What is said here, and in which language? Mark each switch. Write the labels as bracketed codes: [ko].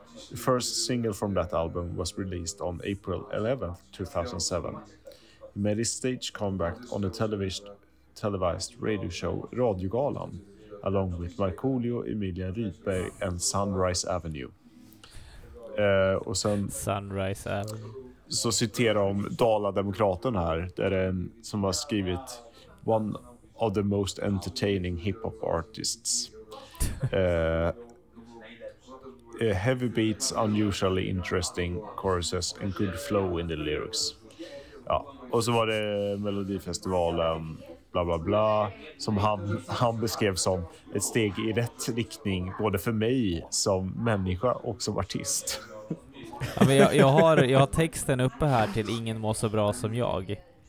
[en] The first single from that album was released on April 11, 2007. He made his stage comeback on the televised radio show Radiogalan, along with Markoolio, Emilia Rydberg and Sunrise Avenue. [sv] Och sen Sunrise Avenue. Så citerar om Dala-demokraten här, där det är en som har skrivit [en] one of the most entertaining hip-hop artists. heavy beats, unusually interesting choruses and good flow in the lyrics. [sv] Ja, och så var det Melodifestivalen, bla bla bla, som han beskrev som ett steg i rätt riktning, både för mig som människa och som artist. Ja, men jag har texten uppe här till Ingen mår så bra som jag.